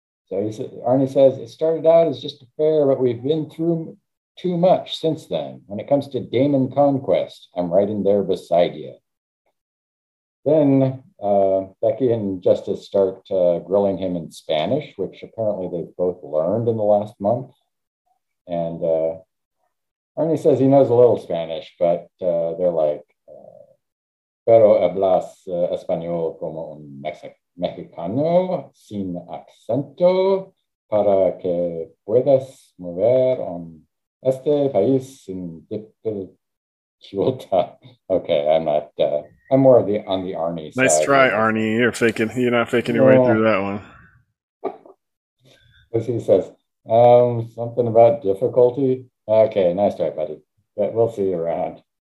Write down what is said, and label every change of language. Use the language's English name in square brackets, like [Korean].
[English] Arnie says, it started out as just a fair, but we've been through too much since then. When it comes to Damon Conquest, I'm right in there beside you. Then Becky and Justice start grilling him in Spanish, which apparently they've both learned in the last month. And Arnie says he knows a little Spanish, but they're like, [Spanish] pero hablas español como un mexicano sin acento para que puedas mover en este país sin dificultad. [English] Okay, I'm not, I'm more on the Arnie side. Nice try, Arnie. You're not faking your way through that one. As he says, something about difficulty. Okay, nice try, buddy. Yeah, we'll see you around.